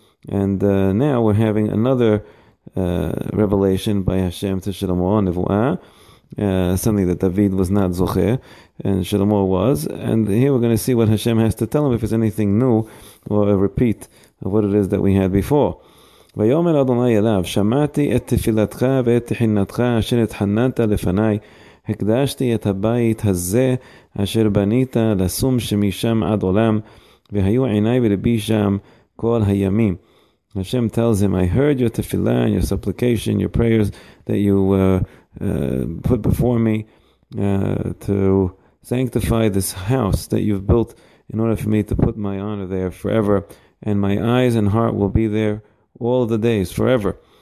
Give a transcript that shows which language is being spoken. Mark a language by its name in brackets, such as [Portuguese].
[English] And now we're having another revelation by Hashem to Shlomo, Nevuah, something that David was not Zocher, and Shlomo was. And here we're going to see what Hashem has to tell him, if it's anything new or a repeat of what it is that we had before. [Hebrew] ויאמר אדוני אליו, שמעתי את תפילתך ואת תחינתך אשר התחננת לפני, הקדשתי את הבית הזה אשר בנית לשום שמשם עד עולם, והיו עיני ולבי שם כל הימים. [English] Hashem tells him, I heard your tefillah and your supplication, your prayers that you put before me to sanctify this house that you've built in order for me to put my honor there forever, and my eyes and heart will be there all the days, forever.